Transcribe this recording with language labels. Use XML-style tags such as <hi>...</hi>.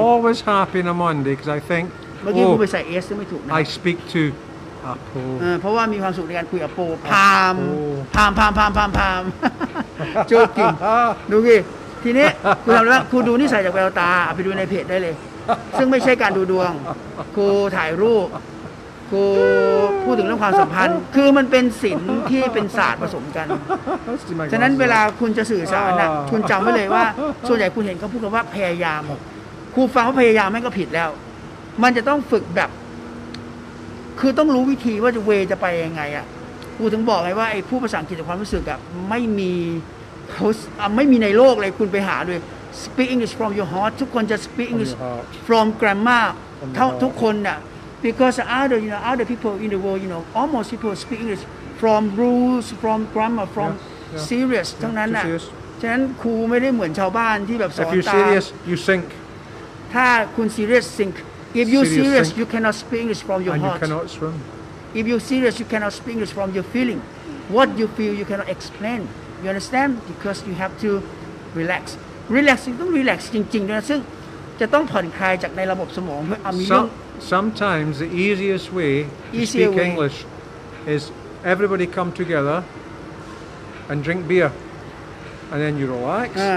<en>always happy on a Monday because I think.</en> <th>เมื่อกี้ผมไปใส่ S ไม่ถูกนะ</th> <en>I speak to Apple.</en> <th>เพราะว่ามีความสุขในการคุยกับ Apple.</th> <en>Palm. Palm. Palm. Palm. Palm. Palm. Joking.</en> <th>ดูดิทีนี้คุณทำแล้วคุณดูนิสัยจากแววตาไปดูในเพจได้เลยซึ่งไม่ใช่การดูดวงคุณถ่ายรูปกูพูดถึงเรื่องความสัมพันธ์คือมันเป็นศิลป์ที่เป็นศาสตร์ผสมกันฉะนั้นเวลาคุณจะสื่อสารน่ะคุณจำไว้เลยว่าส่วนใหญ่คุณเห็นเขาพูดกันว่าพยายามครูฟังว่าพยายามไม่ก็ผิดแล้วมันจะต้องฝึกแบบ คือต้องรู้วิธีว่าจะเวจะไปยังไงอ่ะครูถึงบอกไงว่าไอ้ผู้ภาษาอังกฤษความรู้สึกอ่ะไม่มีเขาไม่มีในโลกเลยคุณไปหาด้วย</th> <en>speak English from your heart</en> <th>ทุกคนจะ speak English from grammar ทุกคนน่ะ</th> <en>Because other, you know, other people in the world, you know, almost people speak English from rules, from grammar, from serious.</en> <th>ทั้งนั้นน่ะฉะนั้นครูไม่ได้เหมือนชาวบ้านที่แบบสอนตา</th> <en>If you serious, you sink.</en> <th>ถ้าคุณ serious, sink.</th> <en>If you serious, you cannot speak English from your heart. And you cannot swim. If you serious, you cannot speak English from your feeling. What you feel, you cannot explain. You understand? Because you have to relax. Relax, you don't relax</en> <th>จริงๆนะซึ่งจะต้องผ่อนคลายจากในระบบสมองเพื่อ</th> <en>Sometimes the easiest way to speak English is everybody come together and drink beer and then you relax.</en>